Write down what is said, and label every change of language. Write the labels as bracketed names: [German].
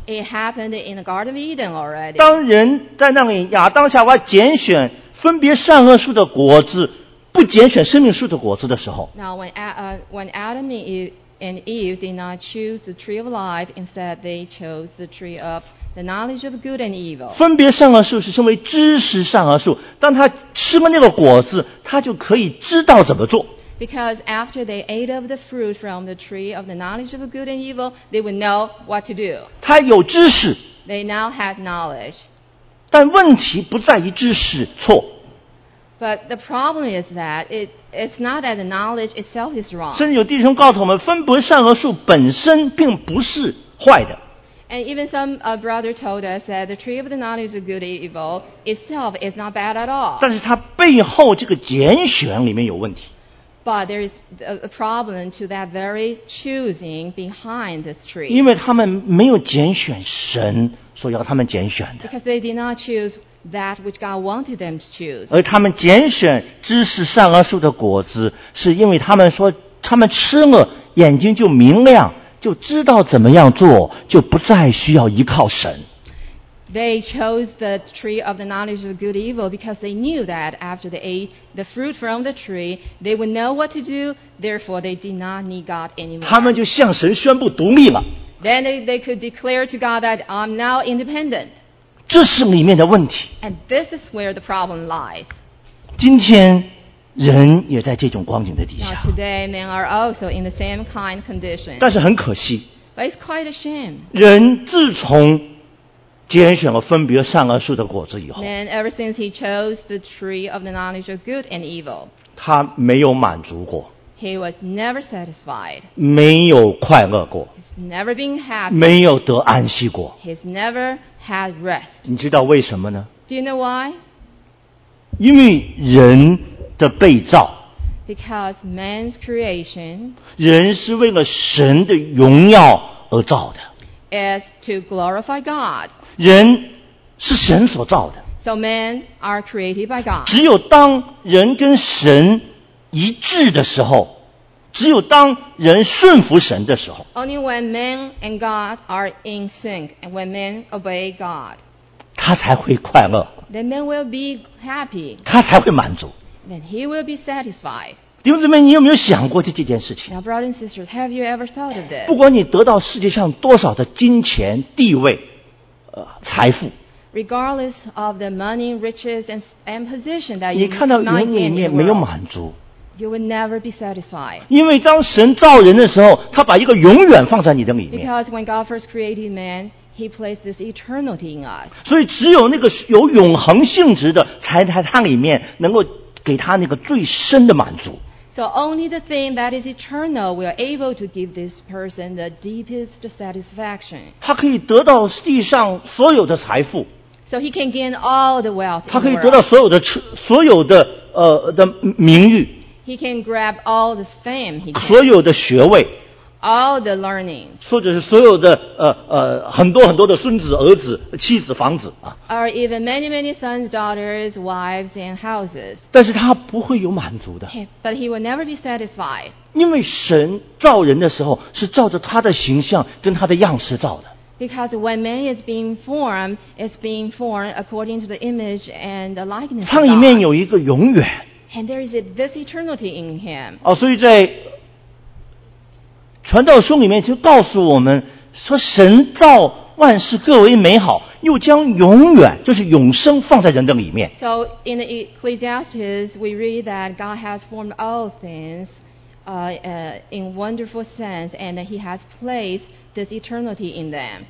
[English] It happened in the Garden of Eden already. [Chinese] 当人在那里亚当夏娃拣选分别善恶树的果子，不拣选生命树的果子的时候。 [English] Now when Adam and Eve did not choose the tree of life, instead they chose the tree of the knowledge of good and evil. [Chinese] 分别善恶树是称为知识善恶树，当他吃了那个果子，他就可以知道怎么做。 [English] Because after they ate of the fruit from the tree of the knowledge of good and evil, they would know what to do. [Chinese] 他有知识。 [English] They now had knowledge. [Chinese] 但问题不在于知识错。 [English] But the problem is that it's not that the knowledge itself is wrong. [Chinese] 甚至有弟兄告诉我们，分别善恶树本身并不是坏的。 [English] And even some brother told us that the tree of the knowledge of good and evil itself is not bad at all. [Chinese] 但是它背后这个拣选里面有问题。 [English] But there is a problem to that very choosing behind this tree. [Chinese] 因为他们没有拣选神所要他们拣选的。 [English] Because they did not choose that which God wanted them to choose. [Chinese] 而他们拣选知识善恶树的果子，是因为他们说他们吃了，眼睛就明亮，就知道怎么样做，就不再需要依靠神。 [English] They chose the tree of the knowledge of good and evil because they knew that after they ate the fruit from the tree, they would know what to do, therefore they did not need God anymore. [Chinese] 他们就向神宣布独立了。 [English] Then they could declare to God that I'm now independent. [Chinese] 这是里面的问题。 [English] And this is where the problem lies. [Chinese] 今天人也在这种光景的底下。 [English] Now today men are also in the same kind condition. [Chinese] 但是很可惜。 [English] But it's quite a shame. [Chinese] 人自从拣选了分别善恶树的果子以后， [English] Man, ever since he chose the tree of the knowledge of good and evil, [Chinese] 他没有满足过， [English] he was never satisfied, [Chinese] 没有快乐过， [English] he's never been happy, [Chinese] 没有得安息过， [English] he's never had rest. [Chinese] 你知道为什么呢？ [English] Do you know why? [Chinese] 因为人的被造， [English] because man's creation, [Chinese] 人是为了神的荣耀而造的， [English] is to glorify God. [Chinese] 人是神所造的。 [English] So men are created by God. [Chinese] 只有当人跟神一致的时候，只有当人顺服神的时候。 [English] Only when men and God are in sync, and when men obey God, [Chinese] 他才会快乐。 [English] Then men will be happy. [Chinese] 他才会满足。 [English] Then he will be satisfied. [Chinese] 弟兄姊妹，你有没有想过这件事情？ [English] Now, brothers and sisters, have you ever thought of this? [Chinese] 不管你得到世界上多少的金钱、地位。财富 [English] regardless of the money, riches and position that you [Chinese] 你看到人里面没有满足， [English] you will never be satisfied. [Chinese] 因为当神造人的时候，他把一个永远放在你的里面。 [English] Because when God first created man, He placed this eternity in us. [Chinese] 所以只有那个有永恒性质的才在他里面能够给他那个最深的满足。 [English] So only the thing that is eternal will able to give this person the deepest satisfaction. [Chinese] 他可以得到地上所有的财富。 [English] So he can gain all the wealth. [Chinese] 他可以得到所有的所有的的名誉。 [English] He can grab all the fame. [Chinese] 所有的学位。 [English] All the learnings. [Chinese] 或者是所有的很多很多的孙子儿子妻子房子啊。 [English] Or even many many sons, daughters, wives, and houses. [Chinese] 但是他不会有满足的。 [English] But he will never be satisfied. [Chinese] 因为神造人的时候是照着他的形象跟他的样式造的。 [English] Because when man is being formed, it's being formed according to the image and the likeness. [Chinese] 他里面有一个永远。 [English] And there is this eternity in him. [Chinese] 哦，所以在传道书里面就告诉我们说，神造万事各为美好，又将永远，就是永生，放在人的里面。 [English] So in the Ecclesiastes, we read that God has formed all things, in wonderful sense, and that He has placed this eternity in them.